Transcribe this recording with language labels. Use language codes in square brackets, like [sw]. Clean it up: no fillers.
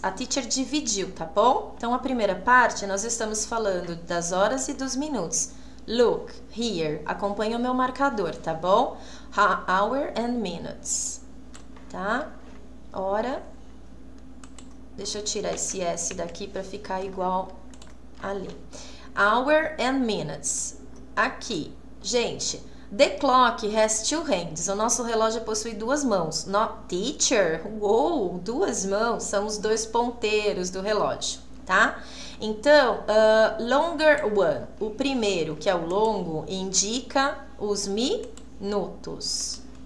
[pt] A teacher dividiu, tá bom? Então, a primeira parte, nós estamos falando das horas e dos minutos. [en] Look, here. [pt] Acompanhe o meu marcador, tá bom? [en] Hour and minutes. [pt] Tá? Hora. Deixa eu tirar esse S daqui para ficar igual ali. [en] Hour and minutes. [pt] Aqui, gente, [en] the clock has two hands. [pt] O nosso relógio possui duas mãos. [en] Not teacher? [pt] Uou, duas mãos são os dois ponteiros do relógio, tá? Então, [en] longer one, [pt] o primeiro, que é o longo, indica os minutos.